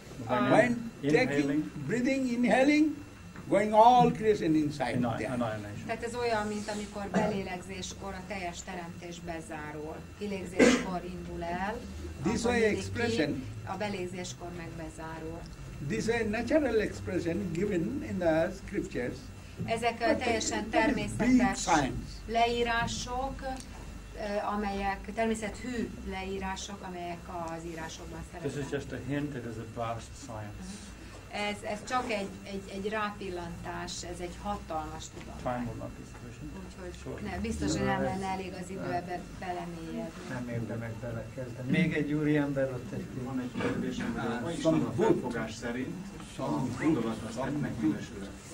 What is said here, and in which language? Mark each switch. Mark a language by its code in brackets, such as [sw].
[en] When taking, breathing, inhaling, going all creation inside. [hu] Tehát ez olyan, mint amikor belélegzéskor a teljes teremtés bezárul. Kilégzéskor indul el. [en] This way expression. [hu] A belégzéskor meg bezárul. [en] This way natural expression given in the scriptures. [hu] Ezek a teljesen természetes leírások, amelyek természethű leírások, amelyek az írásokban szerepelnek. [en] This is just a hint, it is a vast science. [hu] Ez csak egy rápillantás, ez egy hatalmas tudomány. [en] Time will not be sufficient. [hu] Úgyhogy biztos, hogy nem lenne elég az idő ebbe belemélyedni. Nem érdemek belekezdeni. Még egy úriember ott egy kérdés. Van egy kérdés, hogy van a felfogás szerint, a gondolat az tett meg mindesülre.